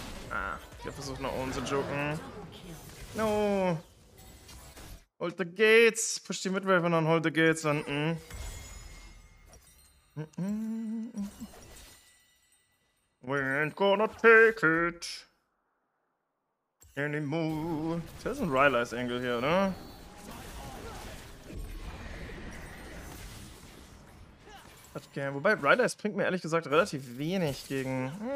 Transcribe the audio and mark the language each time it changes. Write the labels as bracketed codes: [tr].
[de] Ah, ich hab versucht nach oben zu joken. [en] No! Hold the gates! Push [de] die Midwaver und [en] hold the gates [de] unten. [en] We ain't gonna take it anymore. [de] Das ist ein Rylai's Angle hier, ne? Okay, wobei Rylai's bringt mir ehrlich gesagt relativ wenig gegen.